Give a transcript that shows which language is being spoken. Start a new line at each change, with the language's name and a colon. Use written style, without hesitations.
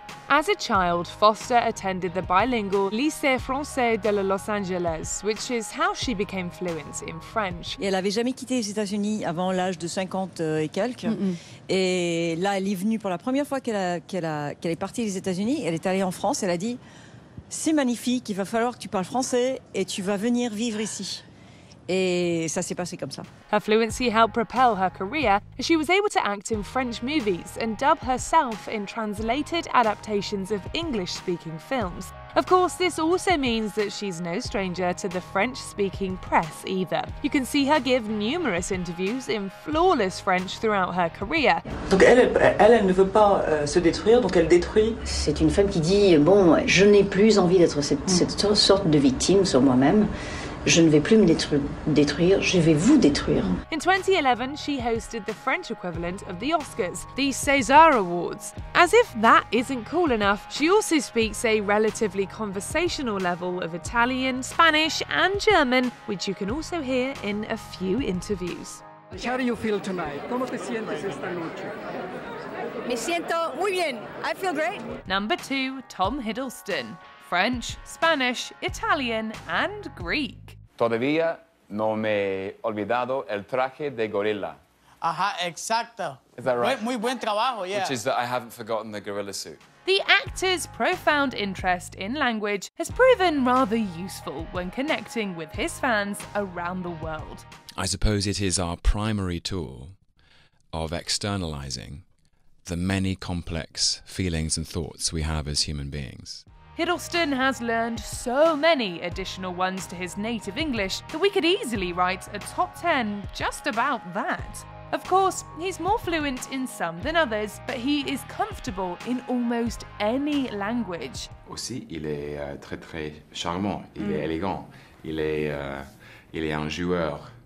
English: As a child, Foster attended the bilingual Lycée Français de Los Angeles, which is how she became fluent in French.
French: Et elle avait jamais quitté les États-Unis avant l'âge de 50 et quelques. Mm-hmm. Et là, elle est venue pour la première fois qu'elle est partie des États-Unis. Elle est allée en France. Elle a dit, c'est magnifique, il va falloir que tu parles français et tu vas venir vivre ici. Et ça s'est passé comme ça.
English: Her fluency helped propel her career. She was able to act in French movies and dub herself in translated adaptations of English-speaking films. Of course, this also means that she's no stranger to the French-speaking press either. You can see her give numerous interviews in flawless French throughout her career.
French: Donc elle ne veut pas se détruire, donc elle détruit. C'est une femme qui dit bon, je n'ai plus envie d'être cette sorte de victime sur moi-même. Je ne vais plus me détruire, je vais vous détruire.
English: In 2011, she hosted the French equivalent of the Oscars, the César Awards. As if that isn't cool enough, she also speaks a relatively conversational level of Italian, Spanish, and German, which you can also hear in a few interviews. How do you feel tonight?
Spanish: ¿Cómo te sientes esta noche? Me siento muy bien.
English: I feel great. Number 2, Tom Hiddleston. French, Spanish, Italian, and Greek.
Spanish: Todavía no me he olvidado el traje de gorila. Ajá, exacto.
English: Is that right?
Spanish: Muy buen trabajo,
English: yeah. Which is that I haven't forgotten the gorilla suit. The actor's profound interest in language has proven rather useful when connecting with his fans around the world. I suppose it is our primary tool of externalizing the many complex feelings and thoughts we have as human beings. Hiddleston has learned so many additional ones to his native English that we could easily write a top 10 just about that. Of course, he's more fluent in some than others, but he is comfortable in almost any language.
French: Aussi, il est très très charmant, il est élégant, il est un joueur,